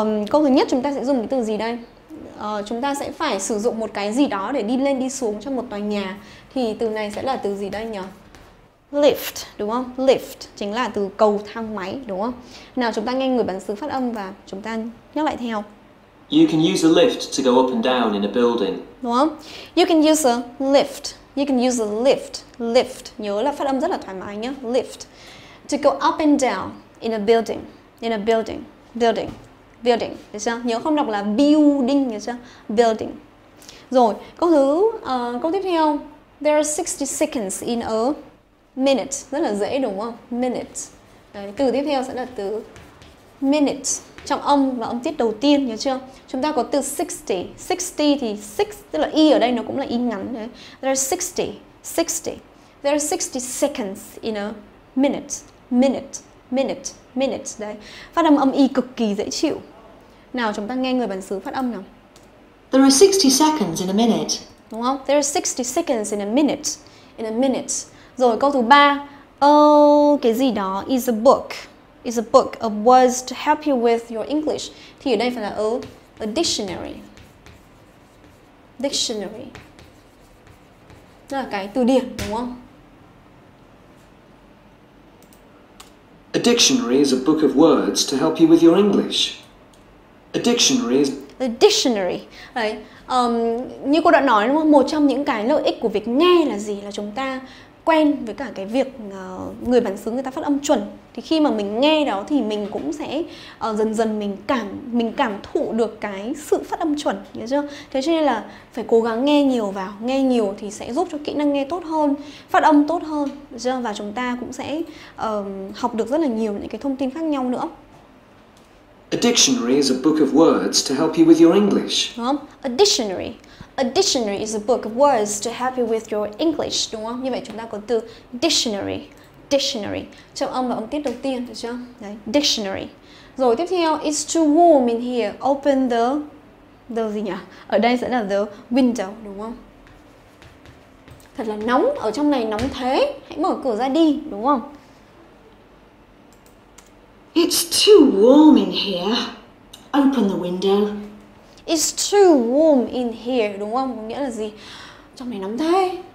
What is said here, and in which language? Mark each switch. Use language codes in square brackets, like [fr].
[vi] Câu thứ nhất chúng ta sẽ dùng cái từ gì đây? Chúng ta sẽ phải sử dụng một cái gì đó để đi lên đi xuống trong một tòa nhà. Thì từ này sẽ là từ gì đây nhỉ? Lift, đúng không? Lift chính là từ cầu thang máy, đúng không? Nào chúng ta nghe người bản xứ phát âm và chúng ta nhắc lại theo. [en] You can use a lift to go up and down in a building. [vi] Đúng không? [en] You can use a lift. You can use a lift. Lift. [vi] Nhớ là phát âm rất là thoải mái nhé. [en] Lift. To go up and down in a building. In a building. Building. Building, [vi] được chưa? Nhớ không đọc là building, được chưa? Building. Rồi, câu thứ, câu tiếp theo. [en] There are 60 seconds in a minute. [vi] Rất là dễ đúng không? [en] Minute. [vi] Đấy, từ tiếp theo sẽ là từ minute. Trọng âm và âm tiết đầu tiên, nhớ chưa? Chúng ta có từ 60. 60 thì 6, tức là y ở đây nó cũng là y ngắn. [en] Đấy. There are 60. 60. There are 60 seconds in a minute. Minute. Minute. Minutes, đấy. [vi] Phát âm âm y cực kỳ dễ chịu. Nào, chúng ta nghe người bản xứ phát âm nào. [en] There are 60 seconds in a minute. [vi] Đúng không? [en] There are 60 seconds in a minute. In a minute. [vi] Rồi, câu thứ 3. Cái gì đó [en] is a book. Is a book of words to help you with your English. [vi] Thì ở đây phải là a dictionary. Dictionary. Đó là cái từ điển, đúng không? [en] A dictionary is a book of words to help you with your English. A dictionary is a dictionary. [vi] Đấy. Như cô đã nói đúng không? Một trong những cái lợi ích của việc nghe là gì? Là chúng ta quen với cả cái việc người bản xứ người ta phát âm chuẩn. Thì khi mà mình nghe đó thì mình cũng sẽ dần dần mình cảm thụ được cái sự phát âm chuẩn, hiểu chưa? Thế cho nên là phải cố gắng nghe nhiều vào, nghe nhiều thì sẽ giúp cho kỹ năng nghe tốt hơn, phát âm tốt hơn, hiểu chưa? Và chúng ta cũng sẽ học được rất là nhiều những cái thông tin khác nhau nữa. [en] A dictionary is a book of words to help you with your English. [vi] Đúng không? [en] A dictionary. A dictionary is a book of words to help you with your English, [vi] đúng không? Như vậy chúng ta có từ [en] dictionary. Dictionary. [vi] Trọng âm và âm tiết đầu tiên, được chưa? Đấy, dictionary. Rồi tiếp theo, [en] it's too warm in here. Open the [vi] gì nhỉ? Ở đây sẽ là [en] the window, [vi] đúng không? Thật là nóng, ở trong này nóng thế. Hãy mở cửa ra đi, đúng không? [en] It's too warm in here. Open the window. It's too warm in here, [vi] đúng không? Có nghĩa là gì? Trong này nóng thế.